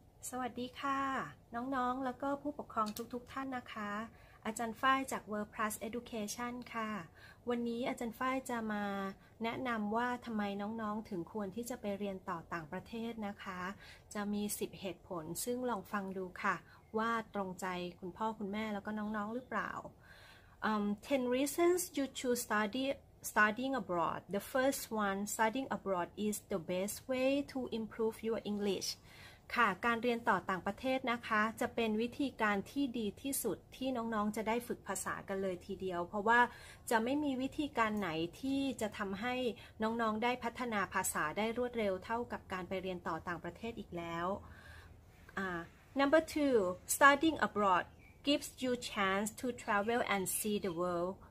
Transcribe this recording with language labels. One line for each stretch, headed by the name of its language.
Thai: สวัสดีค่ะน้องๆแล้วก็ผู้ปกครองทุกๆท่านนะคะอาจารย์ฝ้ายจาก World Plus Education ค่ะวันนี้อาจารย์ฝ้ายจะมาแนะนำว่าทำไมน้องๆถึงควรที่จะไปเรียนต่อต่างประเทศนะคะจะมี10เหตุผลซึ่งลองฟังดูค่ะว่าตรงใจคุณพ่อคุณแม่แล้วก็น้องๆหรือเปล่า
English: 10 reasons you choose studying abroad. The first one, studying abroad is the best way to improve your English.
Thai: ค่ะการเรียนต่อต่างประเทศนะคะจะเป็นวิธีการที่ดีที่สุดที่น้องๆจะได้ฝึกภาษากันเลยทีเดียวเพราะว่าจะไม่มีวิธีการไหนที่จะทำให้น้องๆได้พัฒนาภาษาได้รวดเร็วเท่ากับการไปเรียนต่อต่างประเทศอีกแล้ว
English: Number two, studying abroad gives you chance to travel and see the world.